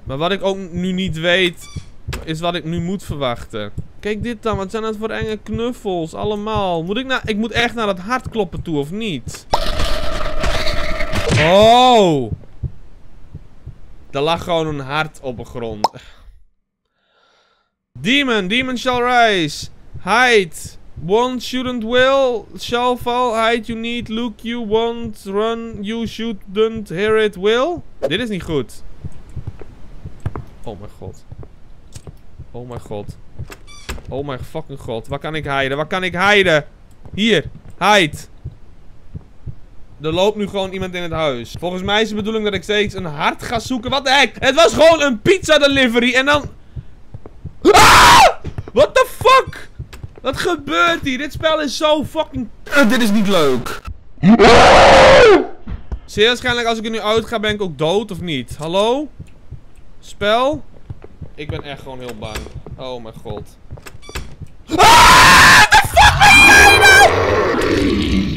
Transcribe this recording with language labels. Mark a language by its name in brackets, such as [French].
[Dutch] Maar wat ik ook nu niet weet... is wat ik nu moet verwachten. Kijk dit dan, wat zijn dat voor enge knuffels allemaal. Ik moet echt naar dat hart kloppen toe, of niet? Oh! Er lag gewoon een hart op de grond. [English] Demon shall rise. Hide. One shouldn't will, shall fall. Hide you need, look you won't run. You shouldn't hear it will. [Dutch] Dit is niet goed. Oh mijn god. Oh mijn god. Oh mijn fucking god. Waar kan ik hiden? Waar kan ik hiden? Hier. Hide. Er loopt nu gewoon iemand in het huis. Volgens mij is de bedoeling dat ik steeds een hart ga zoeken. Wat de heck? Het was gewoon een pizza delivery. En dan... Ah! [English] What the fuck? [Dutch] Wat gebeurt hier? Dit spel is zo fucking... Dit is niet leuk. Zeer waarschijnlijk als ik er nu uit ga, ben ik ook dood of niet? Hallo? Spel? Ik ben echt gewoon heel bang. Oh mijn god. [English] Ah, the fuck are you doing?